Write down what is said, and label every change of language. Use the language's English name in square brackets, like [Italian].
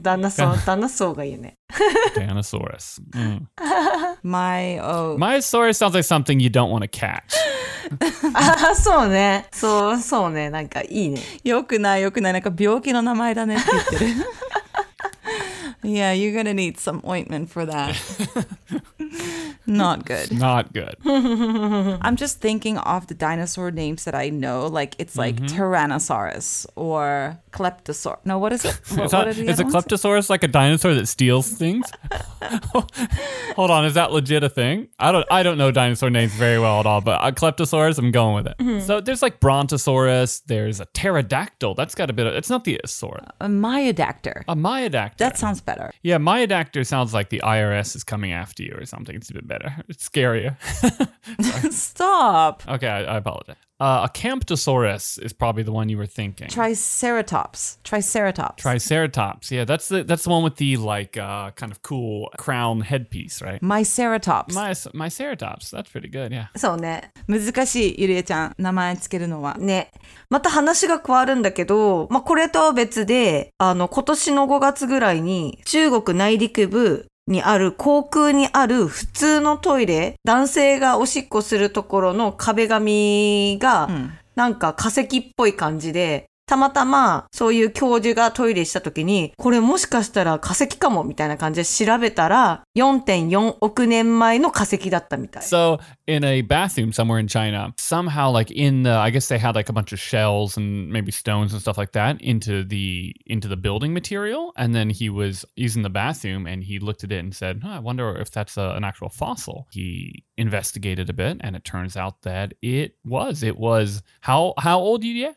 [Japanese] Danna-san がいいね。 [English] Danosaurus. Myceratops sounds like something you don't want to catch. [Japanese] ああ、そうね。そう、そうね。なんかいいね。よくない、よくない。なんか病気の名前だねって言ってる。 [English] Yeah, you're gonna need some ointment for that. Not good. Not good. I'm just thinking of the dinosaur names that I know. Like, it's like Tyrannosaurus or Kleptosaur. No, what is it? Is a Kleptosaurus like a dinosaur that steals things? Hold on, is that legit a thing? I don't know dinosaur names very well at all, but a Kleptosaurus, I'm going with it. So there's like Brontosaurus. There's a Pterodactyl. That's got a bit of... It's not the Asaur. A Myodactyl. That sounds better. Yeah, Myodactyl sounds like the IRS is coming after you or something. It's a bit better. It's scarier. Stop. Okay, I apologize. A Camptosaurus is probably the one you were thinking. Triceratops. Yeah, that's the one with the kind of cool crown headpiece, right? Myceratops. That's pretty good, yeah. [Japanese] そうね。難しい、ゆりえちゃん、名前つけるのは。ね。また話が変わるんだけど、まあ、これとは別で、今年の5月ぐらいに中国内陸部、にある航空にある普通のトイレ、男性がおしっこするところの壁紙がなんか化石っぽい感じで、たまたまそういう教授がトイレした時にこれもしかしたら化石かもみたいな感じで調べたら 4.4 億年前の化石だったみたい。 [English] So in a bathroom somewhere in China, somehow like in the, I guess they had like a bunch of shells and maybe stones and stuff like that into the building material, and then he was using the bathroom and he looked at it and said, oh, I wonder if that's an actual fossil. He investigated a bit and it turns out that it was how old did you get?